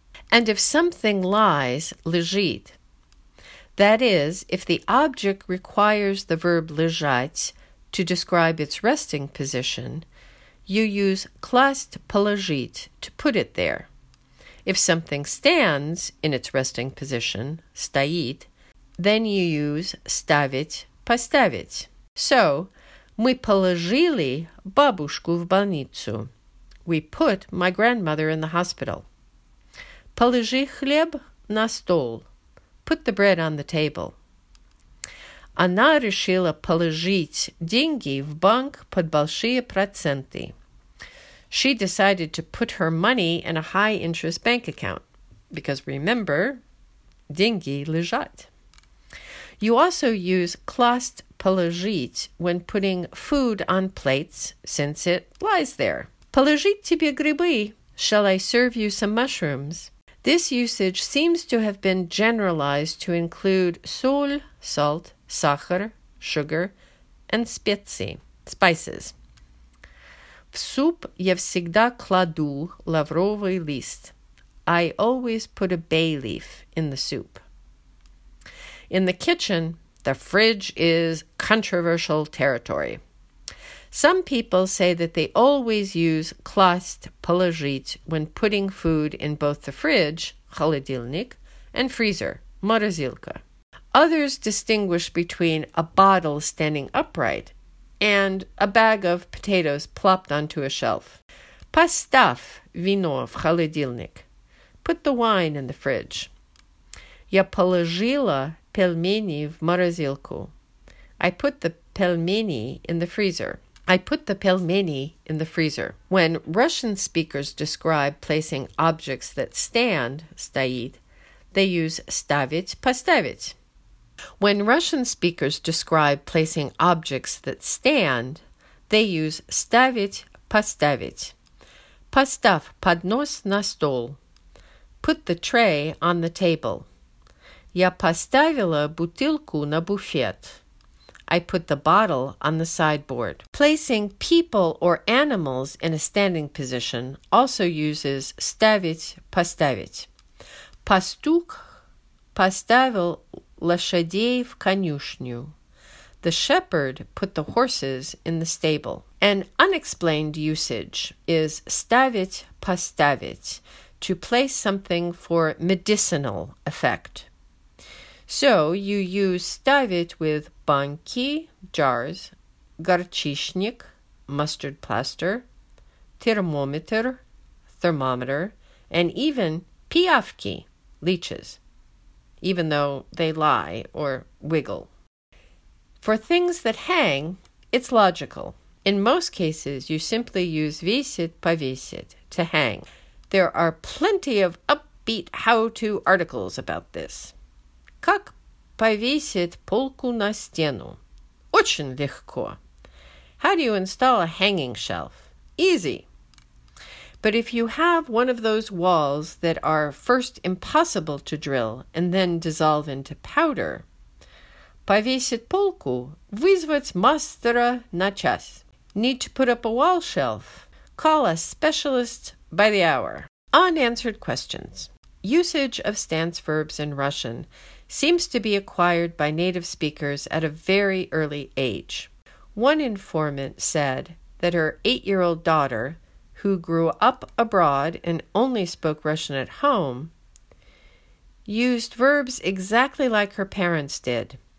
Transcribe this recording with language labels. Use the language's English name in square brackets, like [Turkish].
[English] And if something lies, лежит. That is, if the object requires the verb лежать to describe its resting position, you use класть положить to put it there. If something stands in its resting position, стоит, Then you use ставить, поставить. [Russian] So, мы положили бабушку в больницу. [English] We put my grandmother in the hospital. [Russian] Положи хлеб на стол. [English] Put the bread on the table. [Russian] Она решила положить деньги в банк под большие проценты. [English] She decided to put her money in a high-interest bank account. Because remember, деньги лежат. You also use класть положить when putting food on plates, since it lies there. [Russian] Положить тебе грибы. [English] Shall I serve you some mushrooms? This usage seems to have been generalized to include соль, salt, сахар, sugar, and spices. [Russian] В суп я всегда кладу лавровый лист. [English] I always put a bay leaf in the soup. In the kitchen, the fridge is controversial territory. Some people say that they always use класть положить when putting food in both the fridge, холодильник, and freezer, морозилка. Others distinguish between a bottle standing upright and a bag of potatoes plopped onto a shelf. [Russian] Поставь вино в холодильник. [English] Put the wine in the fridge. [Russian] Я положила пельмени в морозилку. [English] I put the пельмени in the freezer. I put the пельмени in the freezer. When Russian speakers describe placing objects that stand, стоит, they use ставить, поставить. When Russian speakers describe placing objects that stand, they use ставить, поставить. [Russian] Поставь поднос на стол. [English] Put the tray on the table. [Russian] Я поставила бутылку на буфет. [English] I put the bottle on the sideboard. Placing people or animals in a standing position also uses ставить, поставить. [Russian] Пастух поставил лошадей в конюшню. [English] The shepherd put the horses in the stable. An unexplained usage is ставить, поставить, to place something for medicinal effect. So you use ставить with банки, jars, горчичник, mustard plaster, термометр, thermometer, and even пиявки, leeches, even though they lie or wiggle. For things that hang, it's logical. In most cases, you simply use висеть, повесить, to hang. There are plenty of upbeat how-to articles about this. [Russian] Как повесить полку на стену? Очень легко. [English] How do you install a hanging shelf? Easy. But if you have one of those walls that are first impossible to drill and then dissolve into powder, [Russian] повесить полку, вызвать мастера на час. [English] Need to put up a wall shelf? Call a specialist by the hour. Unanswered questions. Usage of stance verbs in Russian seems to be acquired by native speakers at a very early age. One informant said that her 8-year-old daughter, who grew up abroad and only spoke Russian at home, used verbs exactly like her parents did.